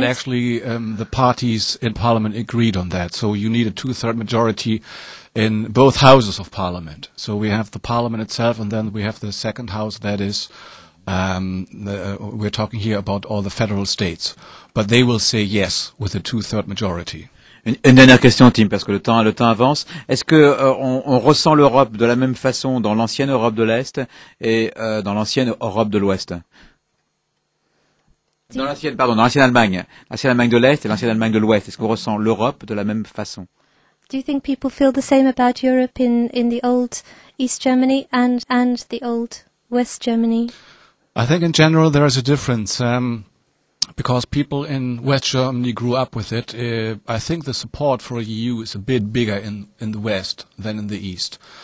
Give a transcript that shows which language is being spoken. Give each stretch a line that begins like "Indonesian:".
English: But actually, the parties in parliament agreed on that. So you need a 2/3 majority in both houses of parliament. So we have the parliament itself, and then we have the second house. That is, we're talking here about all the federal states. But they will say yes with a 2/3 majority.
French: Une dernière question, Tim, parce que le temps avance. Est-ce que on ressent l'Europe de la même façon dans l'ancienne Europe de l'Est et dans l'ancienne Europe de l'Ouest? Dans l'ancienne Allemagne. L'ancienne Allemagne de l'Est et l'ancienne Allemagne de l'Ouest. Est-ce qu'on ressent l'Europe de la même façon?
English: Do you think people feel the same about Europe in the old East Germany and the old West Germany? I think in general there is a difference. Because people in West Germany grew up with it, I think the support for EU is a bit bigger in the West than in the East.